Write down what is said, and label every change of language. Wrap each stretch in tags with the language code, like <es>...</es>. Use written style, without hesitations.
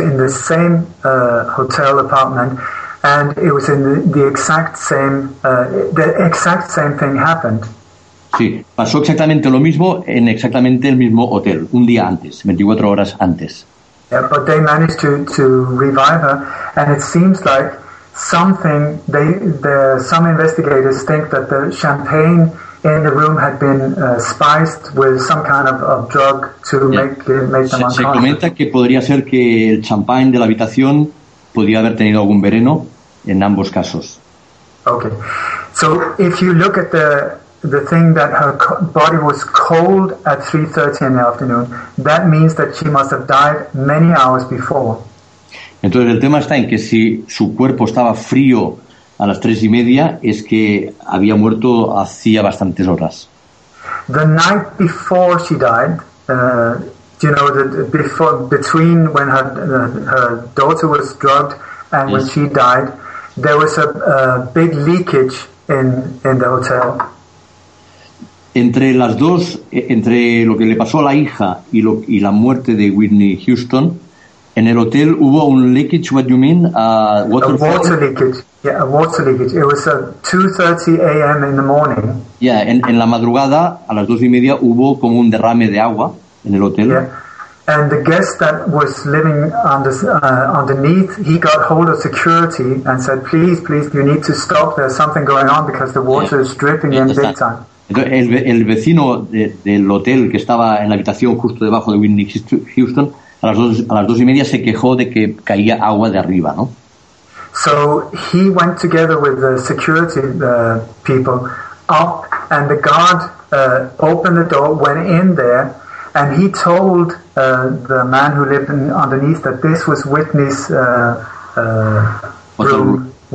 <en>It was in the same hotel apartment, and it was in the exact same thing happened.</en> <es>Sí, pasó exactamente lo mismo en exactamente el mismo hotel, un día antes, 24 horas antes.</es> <en>Yeah, but they managed to revive her, and it seems like something, some investigators think that the champagne in the room had been spiced with some kind of drug to make them unconscious.</en> <es>Se comenta que podría ser que el champagne de la habitación podría haber tenido algún veneno en ambos casos.</es> <en>Okay, so if you look at the thing that her body was cold at 3:30 in the afternoon, that means that she must have died many hours before.</en> <es>Entonces el tema está en que si su cuerpo estaba frío a las 3:30, es que había muerto hacía bastantes horas.</es> <en>The night before she died, between when her daughter was drugged and when she died, there was a big leakage in the hotel.</en> <es>Entre lo que le pasó a la hija y la muerte de Whitney Houston, en el hotel hubo un leakage.</es> <en>What do you mean? A water leakage. It was 2:30 a.m. in the morning.</en> <es>Yeah, en la madrugada, a las 2:30, hubo como un derrame de agua en el hotel.</es> <en>Yeah, and the guest that was living underneath, he got hold of security and said, please, please, you need to stop. There's something going on because the water is dripping in big time.</en> <es>Entonces, el vecino del hotel que estaba en la habitación justo debajo de Whitney Houston, a las dos y media se quejó de que caía agua de arriba, ¿no?</es> <en>So he went together with the security people up, and the guard opened the door, went in there, and he told the man who lived underneath that this was Whitney's room.</en>